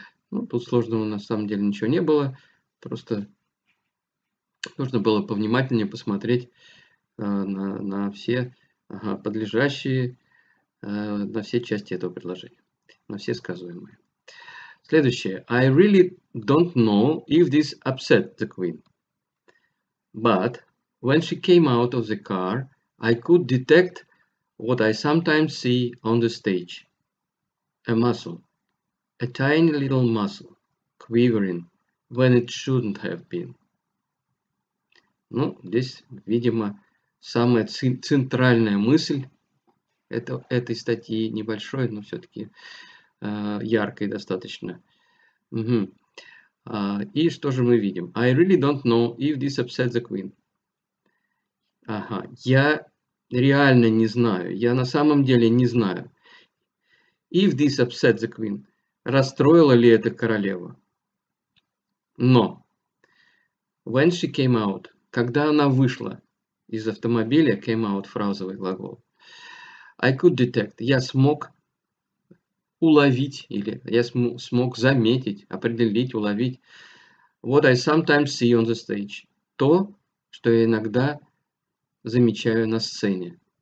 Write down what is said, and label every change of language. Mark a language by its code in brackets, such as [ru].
[ru] Ну, тут сложного на самом деле ничего не было. Просто нужно было повнимательнее посмотреть на все подлежащие, на все части этого предложения, на все сказуемые. Следующее. [en] I really don't know if this upset the Queen. But when she came out of the car, I could detect what I sometimes see on the stage. A muscle. A tiny little muscle, quivering when it shouldn't have been. [ru] Ну, здесь, видимо, самая центральная мысль этой статьи, небольшой, но все-таки яркой достаточно. И что же мы видим? [en] I really don't know if this upset the queen. [ru] Ага, я реально не знаю, я на самом деле не знаю. [en] If this upset the queen, [ru] расстроила ли это королева? Но, [en] when she came out, [ru] когда она вышла из автомобиля, came out, фразовый глагол, [en] I could detect, [ru] я смог уловить, или я смог заметить, определить, уловить, [en] what I sometimes see on the stage, [ru] то, что я иногда замечаю на сцене.